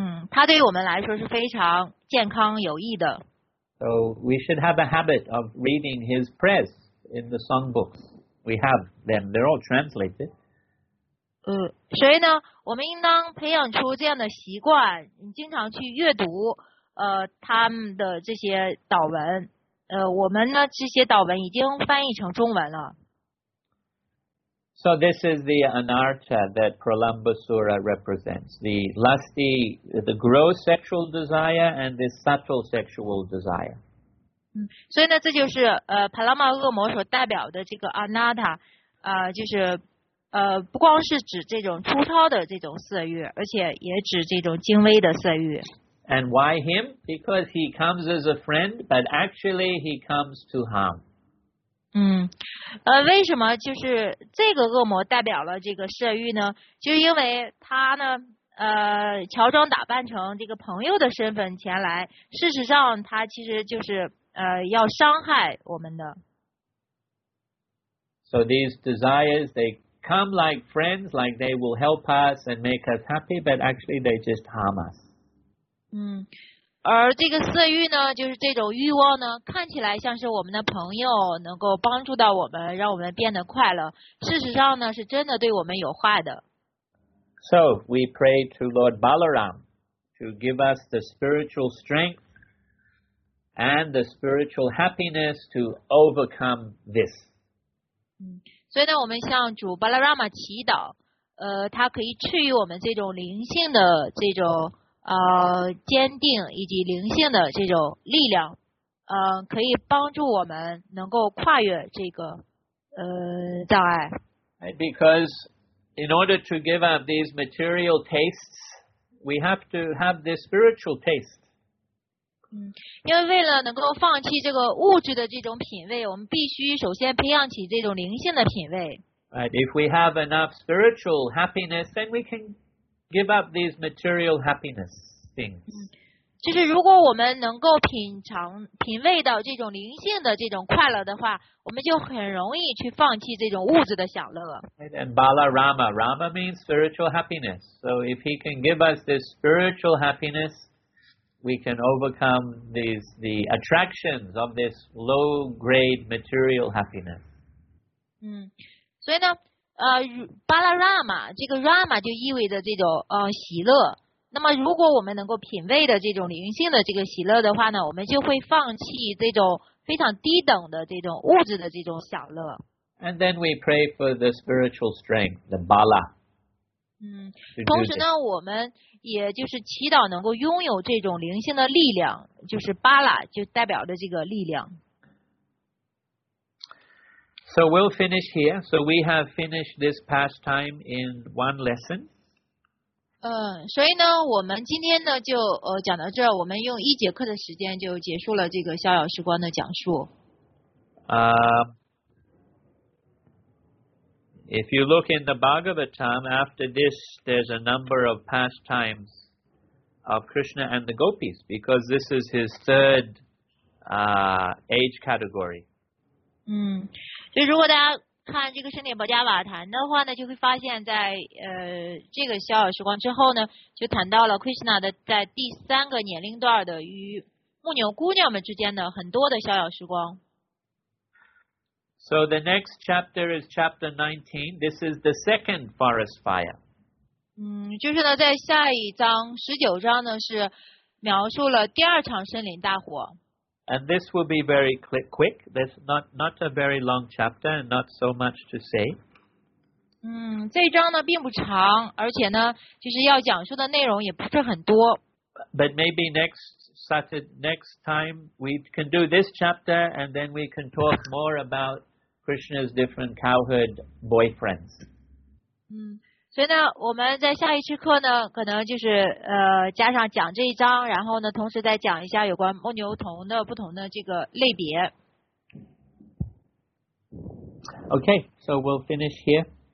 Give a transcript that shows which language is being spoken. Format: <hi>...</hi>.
<zh>他对我们来说是非常健康有益的。</zh> <en>So we should have a habit of reading his prayers in the song books. We have them. They're all translated.</en> <zh>所以呢我们应当培养出这样的习惯经常去阅读他们的这些祷文。我们呢这些祷文已经翻译成中文了。</zh> <en>So this is the anartha that Pralambasura represents. The lusty, the gross sexual desire and the subtle sexual desire.</en> <zh>所以呢这就是帕拉玛恶魔所代表的这个 anartha, 就是不光是指这种粗糙的这种色欲而且也指这种精微的色欲。</zh> <en>And why him? Because he comes as a friend, but actually he comes to harm.</en> <zh>为什么就是这个恶魔代表了这个色欲呢？就因为他呢，乔装打扮成这个朋友的身份前来，事实上他其实就是要伤害我们的。</zh> <en>So these desires, they come like friends, like they will help us and make us happy, but actually they just harm us.</en> <zh>而这个色欲呢就是这种欲望呢看起来像是我们的朋友能够帮助到我们让我们变得快乐事实上呢是真的对我们有坏的</zh> <en>So we pray to Lord Balaram to give us the spiritual strength and the spiritual happiness to overcome this</en> <zh>所以呢我们向主 Balarama 祈祷他可以赐予我们这种灵性的这种坚定以及灵性的这种力量可以帮助我们能够跨越这个障碍。</zh> <en>Because in order to give up these material tastes, we have to have this spiritual taste.</en> <zh>因为为了能够放弃这个物质的这种品味我们必须首先培养起这种灵性的品味。</zh> <en>Right, if we have enough spiritual happiness, then we can give up these material happiness things.</en> <zh>就是如果我们能够品味到这种灵性的这种快乐的话，我们就很容易去放弃这种物质的享乐。</zh> <en>And Balarama, Rama means spiritual happiness. So if he can give us this spiritual happiness, we can overcome the attractions of this low grade material happiness.</en> <zh>所以呢。巴拉拉玛这个 Rama 就意味着这种喜乐那么如果我们能够品味的这种灵性的这个喜乐的话呢我们就会放弃这种非常低等的这种物质的这种享乐</zh> <en>And then we pray for the spiritual strength, the Bala</en> <zh>同时呢我们也就是祈祷能够拥有这种灵性的力量就是巴拉就代表的这个力量</zh> <en>So we'll finish here. So we have finished this pastime in one lesson.</en> <zh>所以呢，我们今天呢就讲到这儿，我们用一节课的时间就结束了这个逍遥时光的讲述。</zh> <en>If you look in the Bhagavatam, after this, there's a number of pastimes of Krishna and the gopis because this is his third age category.</en> <zh>所以如果大家看这个圣典宝加瓦坛的话呢就会发现在这个逍遥时光之后呢就谈到了 Krishna 的在第三个年龄段的与牧牛姑娘们之间的很多的逍遥时光。</zh> <en>So the next chapter is chapter 19. This is the second forest fire.</en> <zh>就是呢在下一章19章呢是描述了第二场森林大火。</zh> <en>And this will be very quick. There's not a very long chapter and not so much to say.</en> <zh>这一章呢并不长而且呢就是要讲述的内容也不是很多。</zh> <en>But maybe next time we can do this chapter and then we can talk more about Krishna's different cowherd boyfriends.</en> <zh>所以呢我们在下一次课呢可能就是加上讲这一章然后呢同时再讲一下有关牧牛童的不同的这个类别。</zh> <en>Okay, so we'll finish here.</en>